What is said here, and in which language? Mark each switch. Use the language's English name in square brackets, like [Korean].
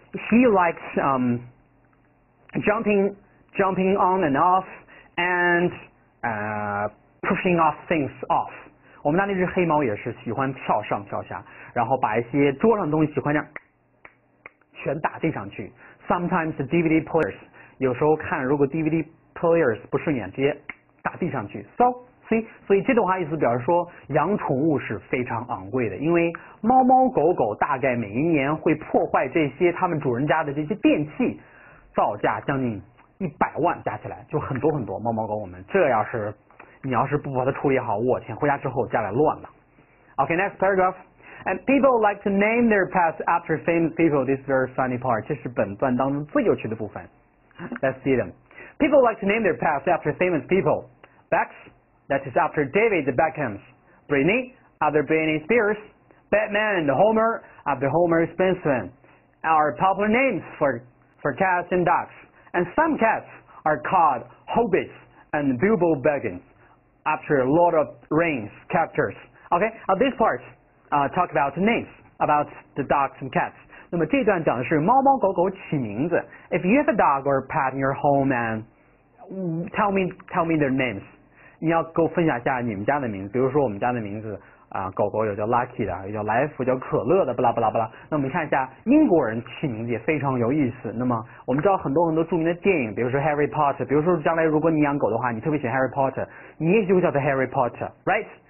[English] He likes jumping on and off and pushing off things off. [Chinese] 我们家那只黑猫也是喜欢跳上跳下，然后把一些桌上的东西喜欢这样全打地上去。 [English] Sometimes the DVD players, [Chinese] 有时候看如果 DVD players 不顺眼，直接打地上去。 So, see, 所以这段话意思表示说养宠物是非常昂贵的，因为猫猫狗狗大概每一年会破坏这些他们主人家的这些电器，造价将近100万，加起来就很多很多。猫猫狗狗们，这要是你要是不把它处理好，我天，回家之后家里乱了。 [English] Okay, next paragraph. And people like to name their pets after famous people. This is very funny part. [Chinese] 这是本段当中最有趣的部分。 [English] Let's see them. People like to name their pets after famous people. Bex, that is after David the Beckhams. Britney, after Britney Spears. Batman and Homer, after Homer Simpson. Our popular names for cats and dogs. And some cats are called Hobbits and Bilbo Baggins. After a lot of rings, characters. Okay, this part, talk about names, about the dogs and cats. [Chinese] 那么这段讲的是猫猫狗狗起名字。 [English] If you have a dog or a pet in your home, and tell me their names. [Chinese] 你要给我分享一下你们家的名字。比如说我们家的名字，狗狗有叫 Lucky 的，有叫来福，叫可乐的，巴拉巴拉巴拉。那我们看一下英国人起名字也非常有意思。那么我们知道很多很多著名的电影，比如说 Harry Potter， 比如说将来如果你养狗的话，你特别喜欢 Harry Potter， 你也就叫它 Harry Potter， right？